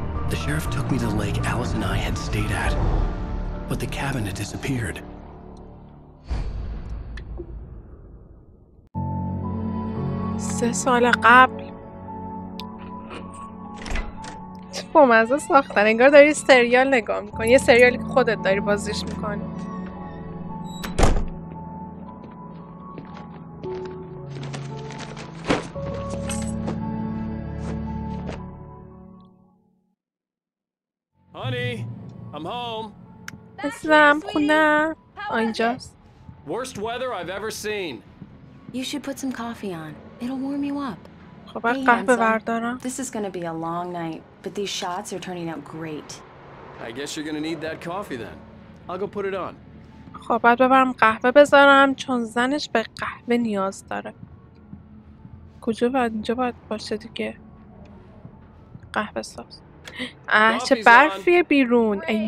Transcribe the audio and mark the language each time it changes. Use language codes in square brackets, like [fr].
[en] The sheriff took me to the lake Alice and I had stayed at, but the cabin had disappeared. [fa] سه سال قبل چه بامزه ساختن، انگار داری سریال نگاه میکنی، یه سریالی که خودت داری بازیش میکنی. [en] هانی، ام هوم. [fa] اسلام خونه آنجاست. [en] Worst weather I've ever seen. You should put some coffee on. It'll warm you up. [fa] خب بعد قهوه بردارم. [en] This is going to be a long night, but these shots are turning out great. I guess you're going to need that coffee then. I'll go put it on. [fa] خب بعد ببرم قهوه بذارم چون زنش به قهوه نیاز داره. کجا بعد اینجا باید باشه دیگه؟ قهوه ساز. آه چه برفیه بیرون.